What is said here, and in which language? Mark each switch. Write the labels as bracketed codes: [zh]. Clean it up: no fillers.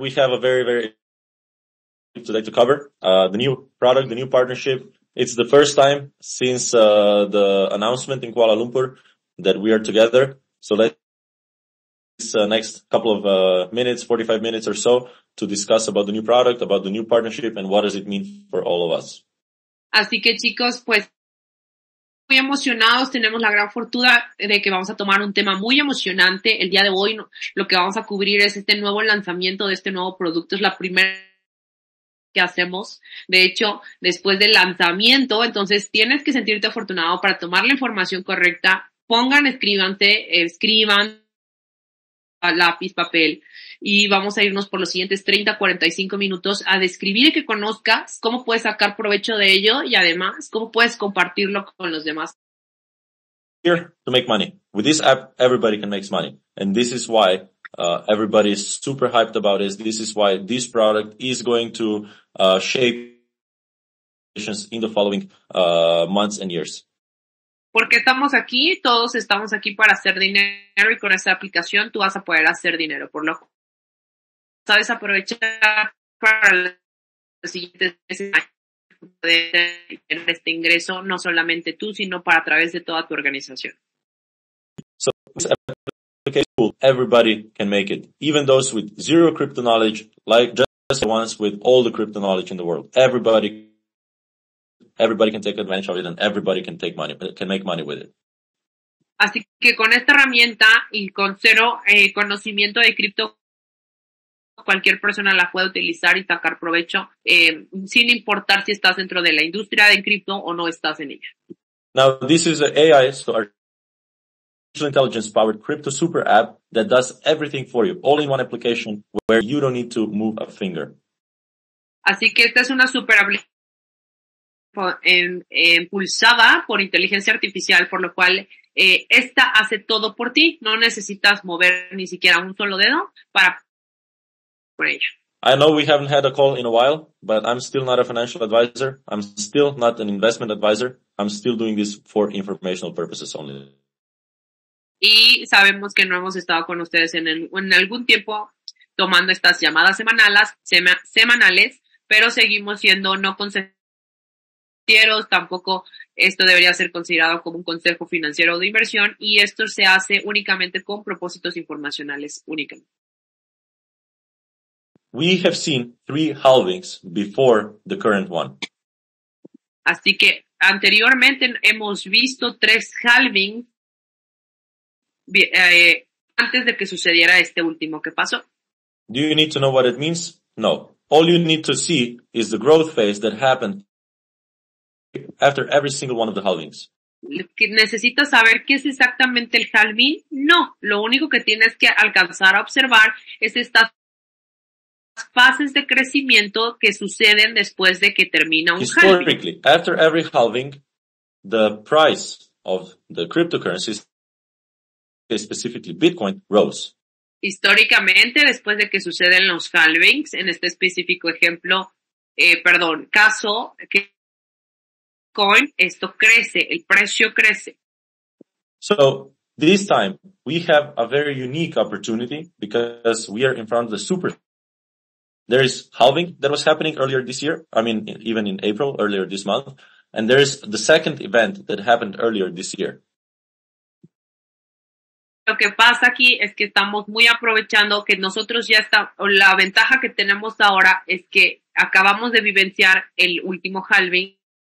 [en] We have a very, very today to cover the new product, the new partnership. It's the first time since the announcement in Kuala Lumpur that we are together. So let's next couple of minutes, 45 minutes or so, to discuss about the new product, about the new partnership, and what does it mean for all of us. [es] Así que chicos, pues muy emocionados, tenemos la gran fortuna de que vamos a tomar un tema muy emocionante el día de hoy. Lo que vamos a cubrir es este nuevo lanzamiento de este nuevo producto, es la primera que hacemos. De hecho, después del lanzamiento, entonces tienes que sentirte afortunado para tomar la información correcta. Escriban a lápiz, papel, y vamos a irnos por los siguientes 30, 45 minutos a describir y que conozcas cómo puedes sacar provecho de ello y además cómo puedes compartirlo con los demás. [en] Here to make money. With this app, everybody can make money. And this is why everybody is super hyped about this. This is why this product is going to shape in the following months and years. [es] Porque estamos aquí, todos estamos aquí para hacer dinero y con esa aplicación tú vas a poder hacer dinero, por lo cual sabes aprovechar para los siguientes meses poder tener este ingreso, no solamente tú, sino para a través de toda tu organización. [en] So, okay, cool. Everybody can make it. Even those with zero crypto knowledge, like just the ones with all the crypto knowledge in the world. Everybody can take advantage of it and everybody can take money, can make money with it. [es] Así que con esta herramienta y con cero conocimiento de cripto, cualquier persona la puede utilizar y sacar provecho sin importar si estás dentro de la industria de cripto o no estás en ella. [en] Now, this is an AI, so artificial intelligence powered crypto super app that does everything for you, all in one application where you don't need to move a finger. [es] Así que esta es una super aplicación impulsada por inteligencia artificial, por lo cual esta hace todo por ti. No necesitas mover ni siquiera un solo dedo para por ella. [en] I know we haven't had a call in a while, but I'm still not a financial advisor. I'm still not an investment advisor. I'm still doing this for informational purposes only. [es] Y sabemos que no hemos estado con ustedes en algún tiempo tomando estas llamadas semanales, pero seguimos siendo no consejeros. Tampoco esto debería ser considerado como un consejo financiero de inversión y esto se hace únicamente con propósitos informacionales únicamente. [en] We have seen three halvings before the current one. [es] Así que anteriormente hemos visto tres halvings antes de que sucediera este último que pasó. [en] Do you need to know what it means? No. All you need to see is the growth phase that happened after every single one of the halvings. [es] ¿Necesitas saber qué es exactamente el halving? No. Lo único que tienes que alcanzar a observar es estas fases de crecimiento que suceden después de que termina un halving. [en] Historically, after every halving, the price of the cryptocurrencies, specifically Bitcoin, rose. [es] Históricamente, después de que suceden los halvings, en este específico ejemplo, caso que Coin, esto crece, el precio crece. [en] So, this time, we have a very unique opportunity because we are in front of the super. There is halving that was happening earlier this year. I mean, even in April, earlier this month. And there is the second event that happened earlier this year. [es] Lo que pasa aquí es que estamos muy aprovechando que nosotros ya estamos, la ventaja que tenemos ahora es que acabamos de vivenciar el último halving.